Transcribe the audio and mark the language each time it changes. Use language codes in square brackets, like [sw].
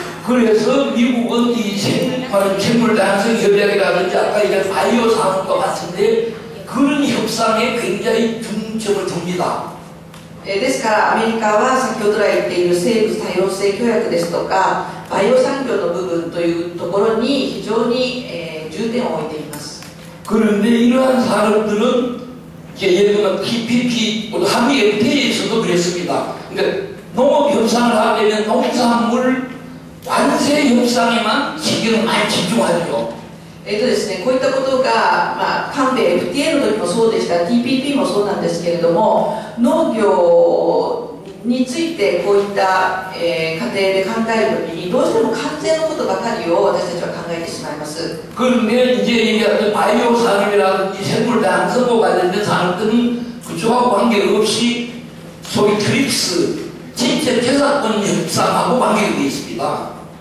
[ko] 그래서미국은이생물다양성협약이라든지아까얘기한바이오산업과같은데그런협상에굉장히중점을둡니다 [ja] ですからアメリカは先ほど来言っている生物多様性協約ですとかバイオ産業の部分というところに非常に重点を置いています [ko] 그런데이러한산업들은예를들어 TPP 한미 FTA 에서도그랬습니다농업협상을하게되면농산물관세협상에만신경을많이집중하죠 [ja] ですね、こういったことが、まあ、韓米 FTA の時もそうでした、TPP もそうなんですけれども、農業についてこういった、過程で考えるときに、どうしても関税のことばかりを私たちは考えてしまいます。 [ko] 그런데、이제얘기하는바이오산업이라든지생물다양성과관련된산업들은그쪽하고관계없이소위트립스진짜재산권협상하고관계되어있습니다